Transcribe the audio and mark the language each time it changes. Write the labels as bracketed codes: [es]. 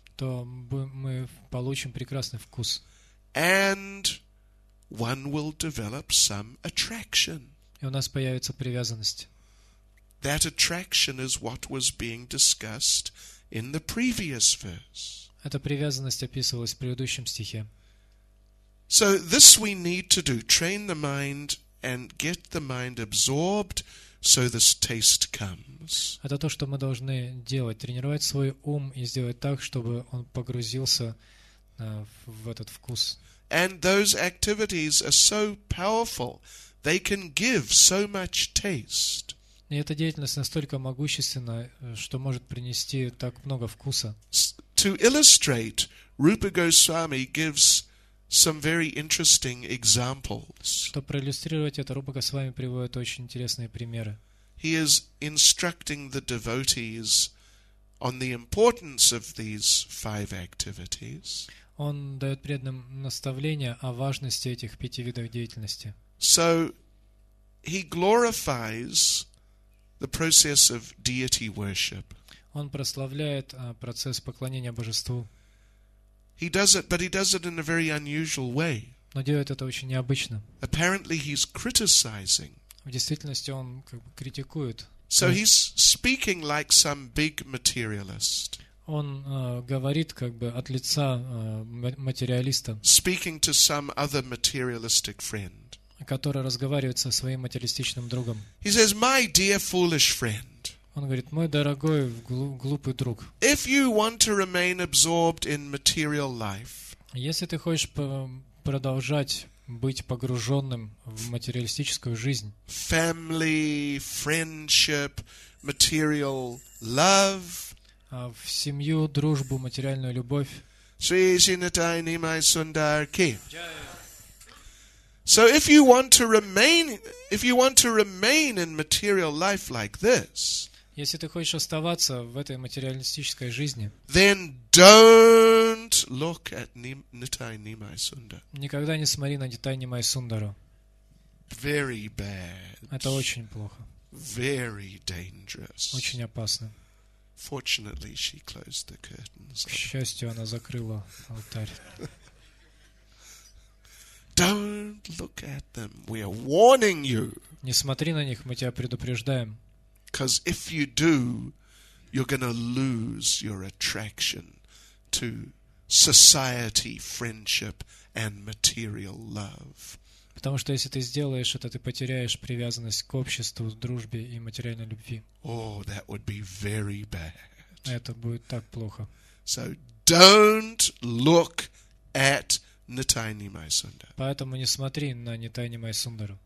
[ru] то мы получим прекрасный вкус. [en] And one will develop some attraction. [ru] И у нас появится привязанность. [en] That attraction is what was being discussed in the previous verse. [ru] Эта привязанность описывалась в предыдущем стихе. [en] So this we need to do: train the mind and get the mind absorbed, so this taste comes. [ru] Это то, что мы должны делать: тренировать свой ум и сделать так, чтобы он погрузился в этот вкус. [en] And those activities are so powerful; they can give so much taste. [ru] И эта деятельность настолько могущественна, что может принести так много вкуса. [en] To illustrate, Rupa Goswami gives some very interesting examples. [ru] Чтобы проиллюстрировать это, Рупа Госвами приводит очень интересные примеры. [en] He is instructing the devotees on the importance of these five activities. [ru] Он дает преданным наставление о важности этих пяти видов деятельности. [en] So he glorifies the process of deity worship. [ru] Он прославляет процесс поклонения божеству. [en] He does it, but he does it in a very unusual way. [ru] Но делает это очень необычно. [en] Apparently he's criticizing. [ru] В действительности он как бы критикует. [en] So he's speaking like some big materialist. [ru] Он говорит как бы от лица материалиста. [en] Speaking to some other materialistic friend. [ru] Который разговаривает со своим материалистичным другом. [en] He says, "My dear foolish friend." [ru] Он говорит, мой дорогой глупый друг. [en] If you want to remain absorbed in material life, [ru] если ты хочешь продолжать быть погруженным в материалистическую жизнь, [en] family, friendship, material love, [ru] в семью, дружбу, материальную любовь. [hi] Sri Sinatai Nimai Sundar Ki. [en] So if you want to remain in material life like this, [ru] если ты хочешь оставаться в этой материалистической жизни, [en] then don't look at Nitai Nimai Sundar. [ru] Никогда не смотри на Нитай Нимай Сундару. [en] Very bad. [ru] Это очень плохо. [en] Very dangerous. [ru] Очень опасно. [en] Fortunately, she closed the curtains. [ru] К счастью, она закрыла алтарь. [en] Don't look at them. We are warning you. [ru] Не смотри на них, мы тебя предупреждаем. [en] Because if you do, you're going to lose your attraction to society, friendship, and material love. [ru] Потому что если ты сделаешь это, ты потеряешь привязанность к обществу, дружбе и материальной любви. [en] Oh, that would be very bad. [ru] Это будет так плохо. [en] So don't look at Nitai Nimai Sundar. [ru] Поэтому не смотри на Нитай Нимай Сундару.